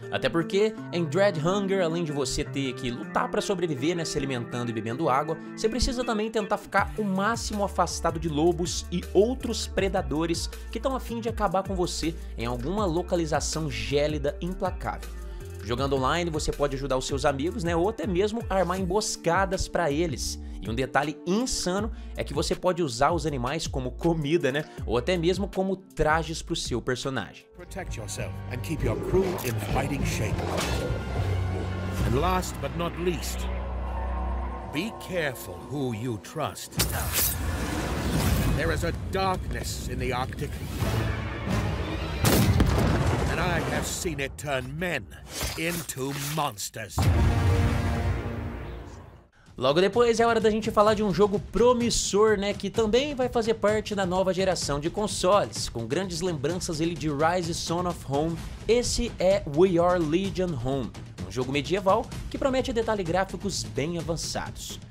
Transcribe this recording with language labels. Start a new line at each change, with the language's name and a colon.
Portuguese: Até porque, em Dread Hunger, além de você ter que lutar para sobreviver, né, se alimentando e bebendo água, você precisa também tentar ficar o máximo afastado de lobos e outros predadores que estão a fim de acabar com você em alguma localização gélida implacável. Jogando online, você pode ajudar os seus amigos, né, ou até mesmo armar emboscadas para eles. E um detalhe insano é que você pode usar os animais como comida, né? Ou até mesmo como trajes pro seu personagem.
English: Protect yourself and keep your crew in fighting shape. And last but not least, be careful who you trust. There is a darkness in the Arctic. And I have seen it turn men into monsters.
Portuguese: Logo depois é hora da gente falar de um jogo promissor, né, que também vai fazer parte da nova geração de consoles. Com grandes lembranças ele de Rise Son of Home, esse é We Are Legion Home, um jogo medieval que promete detalhes gráficos bem avançados.